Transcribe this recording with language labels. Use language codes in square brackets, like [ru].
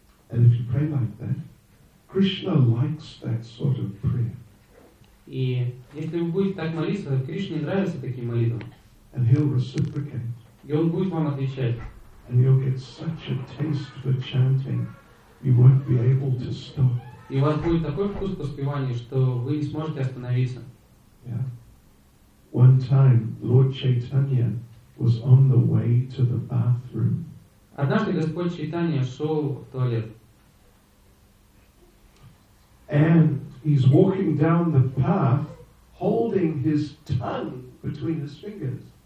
[en] And if you pray like that, Krishna likes that sort of prayer. [ru] И если вы будете так молиться, Кришне нравятся такие молитвы. [en] And he'll reciprocate. [ru] И он будет вам отвечать. [en] And you'll get such a taste for chanting. You won't be able to stop. [ru] И у вас будет такой вкус поспевания, что вы не сможете остановиться. Yeah. [en] One time, Lord Chaitanya was on the way to the bathroom. [ru] Однажды Господь Чайтанья шел в туалет. [en] And he's walking down the path, holding his tongue between his fingers.